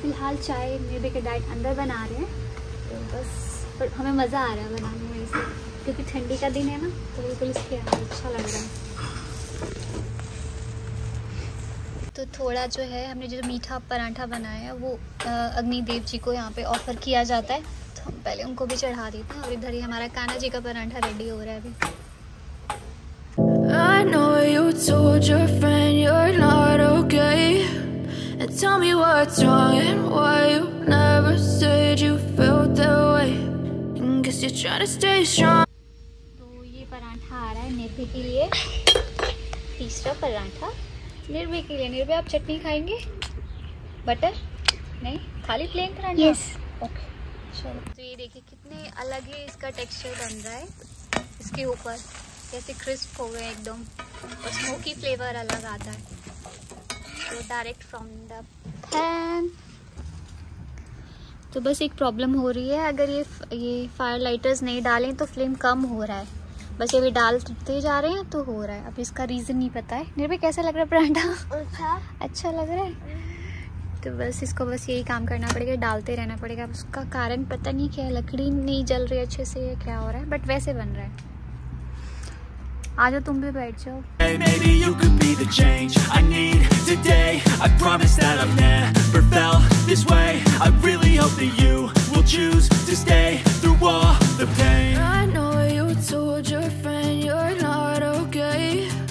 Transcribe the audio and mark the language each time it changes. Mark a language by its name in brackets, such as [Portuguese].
[Hindi] फिलहाल चाय मेरे के डाइट अंदर बना रहे हैं, तो बस पर हमें मज़ा आ रहा है बनाने में इसे, क्योंकि ठंडी का दिन है ना, तो बिल्कुल इसके अच्छा लग रहा है। तो थोड़ा जो है हमने जो मीठा पराठा बनाया वो अग्निदेव जी को यहाँ पर ऑफर किया जाता है, हम पहले उनको भी चढ़ा देते हैं। और इधर ही हमारा कान्हा जी का परांठा रेडी हो रहा है अभी। [English] I know you told your friend you're not okay and tell me what's wrong and why you never said you felt that way and guess you're trying to stay strong। [Hindi] तो ये परांठा आ रहा है निर्भय के लिए, तीसरा परांठा निर्भय के लिए। निर्भय आप चटनी खाएंगे, बटर नहीं, खाली प्लेन परांठा? [English] Yes okay. [Hindi] तो ये देखिए कितने अलग ही इसका टेक्सचर बन रहा है इसके ऊपर, कैसे क्रिस्प हो गए एकदम, और स्मोकी फ्लेवर अलग आता है। [English] तो direct from the pan. [Hindi] तो बस एक प्रॉब्लम हो रही है, अगर ये फायर लाइटर्स नहीं डालें तो फ्लेम कम हो रहा है, बस ये भी डालते जा रहे हैं तो हो रहा है, अब इसका रीज़न नहीं पता है। निर्भय कैसा लग रहा है परांठा? अच्छा लग रहा है। तो बस इसको बस यही काम करना पड़ेगा, डालते रहना पड़ेगा। अब उसका कारण पता नहीं क्या है, लकड़ी नहीं जल रही अच्छे से या क्या हो रहा है, बट वैसे बन रहा है। आ जाओ तुम भी बैठ जाओ। [English] Hey, maybe you could be the change I need today. I promise that I've never felt this way. I really hope that you will choose to stay through all the pain. I know you told your friend you're not okay.